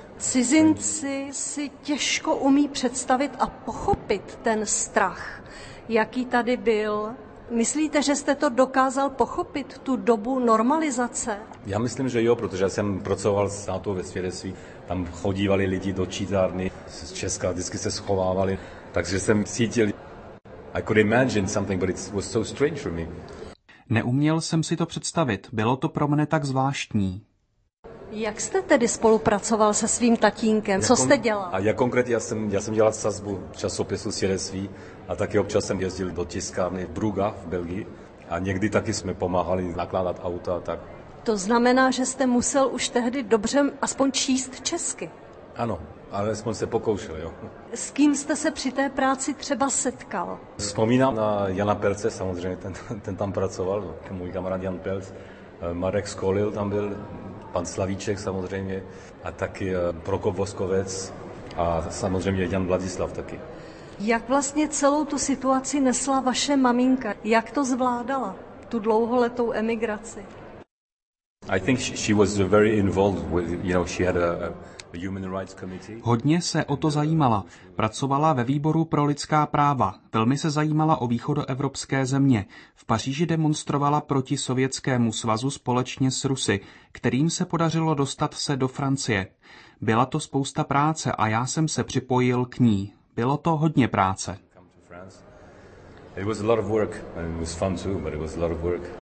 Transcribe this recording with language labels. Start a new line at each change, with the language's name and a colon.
Czech: Cizinci si těžko umí představit a pochopit ten strach, jaký tady byl. Myslíte, že jste to dokázal pochopit, tu dobu normalizace? Já myslím, že jo, protože já jsem pracoval s tátou ve svědectví. Tam chodívali lidi do čítárny z Česka, vždycky se schovávali. Takže jsem cítil,
English: I could imagine something, but it was so strange for me.
Czech: Neuměl jsem si to představit, bylo to pro mne tak zvláštní. Jak jste tedy spolupracoval se svým tatínkem? Co jste dělal? A já konkrétně, já jsem dělal sazbu časopisu svědectví a taky občas jsem jezdil do tiskárny v Bruga v Belgii a někdy taky jsme pomáhali nakládat auta a tak. To znamená, že jste musel už tehdy dobře aspoň číst česky? Ano, ale aspoň se pokoušel, jo. S kým jste se při té práci třeba setkal? Vzpomínám na Jana Pelce, samozřejmě ten tam pracoval, můj kamarád Jan Pelc, Marek Skolil tam byl. Pan Slavíček samozřejmě a taky Prokop Voskovec a samozřejmě Jan Vladislav taky. Jak vlastně celou tu situaci nesla vaše maminka? Jak to zvládala, tu dlouholetou emigraci?
English: I think she was very involved with, you know, she had a human rights committee.
Czech: Hodně se o to zajímala. Pracovala ve výboru pro lidská práva. Velmi se zajímala o východoevropské země. V Paříži demonstrovala proti Sovětskému svazu společně s Rusy, kterým se podařilo dostat se do Francie. Byla to spousta práce a já jsem se připojil k ní. Bylo to hodně práce.
English: It was a lot of work. It was fun too, but it was a lot of work.